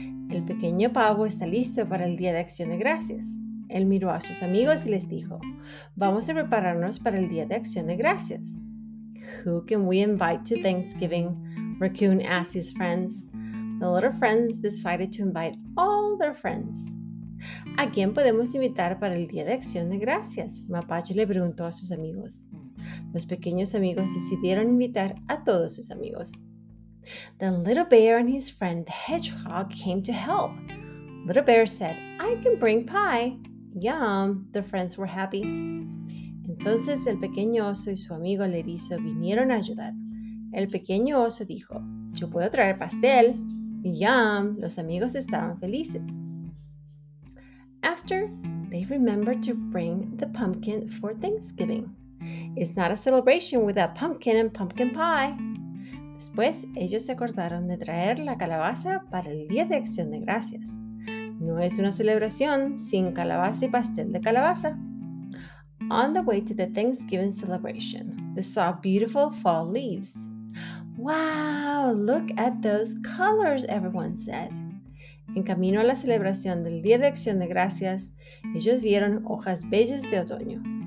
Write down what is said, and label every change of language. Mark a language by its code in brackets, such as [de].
[es] El pequeño pavo está listo para el Día de Acción de Gracias. Él miró a sus amigos y les dijo, "Vamos a prepararnos para el Día de Acción de Gracias." [en] "Who can we invite to Thanksgiving?" Raccoon asked his friends. The little friends decided to invite all their friends. [es] ¿A quién podemos invitar para el Día de Acción de Gracias? Mapache le preguntó a sus amigos. Los pequeños amigos decidieron invitar a todos sus amigos. [en] The little bear and his friend the hedgehog came to help. Little bear said, "I can bring pie." Yum, the friends were happy. [es] Entonces el pequeño oso y su amigo el erizo vinieron a ayudar. El pequeño oso dijo, "Yo puedo traer pastel." Yum, los amigos estaban felices. [en] After, they remembered to bring the pumpkin for Thanksgiving. It's not a celebration without pumpkin and pumpkin pie. [es] Después, ellos se acordaron de traer la calabaza para el Día de Acción de Gracias. No es una celebración sin calabaza y pastel de calabaza. [en] On the way to the Thanksgiving celebration, they saw beautiful fall leaves. "Wow, look at those colors," everyone said. [es] En camino a la celebración del Día de Acción de Gracias, ellos vieron hojas bellas de otoño.